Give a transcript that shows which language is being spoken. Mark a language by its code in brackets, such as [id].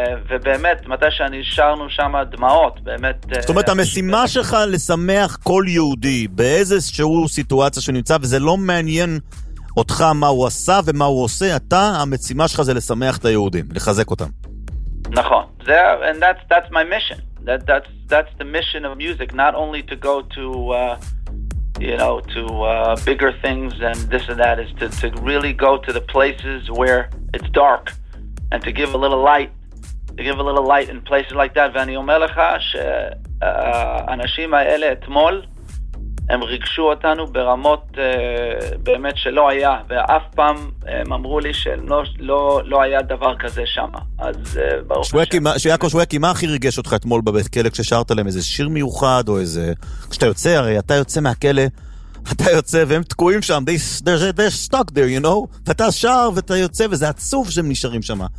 [he] ובאמת, מתי שאני שרנו שם דמעות, באמת... זאת אומרת, המשימה שלך לשמח כל יהודי באיזשהו סיטואציה שנמצא, וזה לא מעניין אותך מה הוא עשה ומה הוא עושה, אתה, המשימה שלך זה לשמח את היהודים, לחזק אותם. נכון. [en] And that's my mission. That's the mission of music, not only to go to... you know, to bigger things than this and that, is to really go to the places where it's dark and to give a little light, to give a little light in places like that. [he] ואני אומר לך שאנשים האלה אתמול הם ריגשו אותנו ברמות באמת שלא היה, ואף פעם הם אמרו לי שלא היה דבר כזה שם. אז ברוך השם. יעקב שוויקי, מה הכי ריגש אותך אתמול בבית כלא כששרת להם איזה שיר מיוחד או איזה, כשאתה יוצא, הרי אתה יוצא מהכלא, אתה יוצא והם תקועים שם, [en] they're stuck there, you know, [he] ואתה שר ואתה יוצא וזה עצוב שהם נשארים שם.